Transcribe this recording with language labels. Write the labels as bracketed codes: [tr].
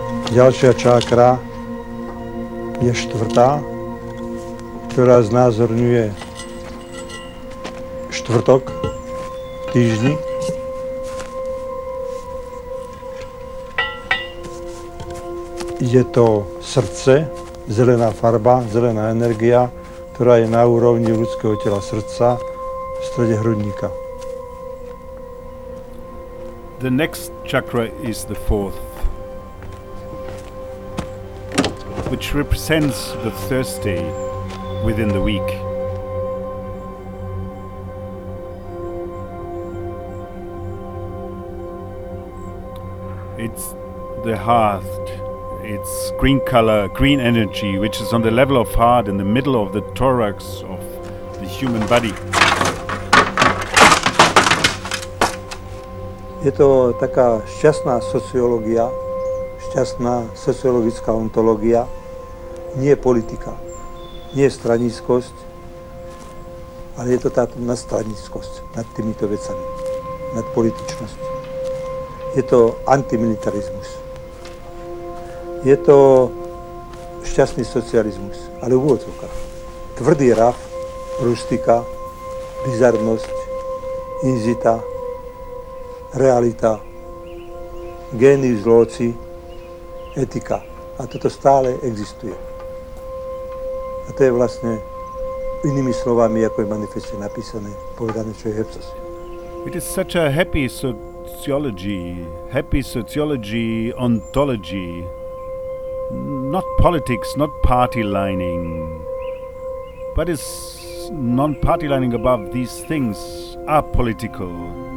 [sk] Ďalšia čakra je štvrtá, ktorá znázorňuje štvrtok v týždni. Je to srdce, zelená farba, zelená energia, ktorá je na úrovni ľudského tela srdca v strede hrudníka. [en] The next chakra is the fourth, which represents the Thursday within the week. It's the heart, it's green color, green energy, which is on the level of heart in the middle of the thorax of the human body. [sk] Je to taká šťastná sociológia, šťastná sociologická ontológia, nie politika, nie stranickosť, ale je to tá nadstranickosť nad týmito vecami, nad političnosť. Je to antimilitarizmus. Je to šťastný socializmus, ale v úvodzovkách. Tvrdý raf, rustika, bizarnosť, inzita, realita, gény, zloci, etika. A toto stále existuje. A to je vlastne inými slovami, ako je manifeste napísané, povedané, čo je Hepsos. [en] It is such a happy sociology, ontology, not politics, not party lining, but is non-party lining above these things are political.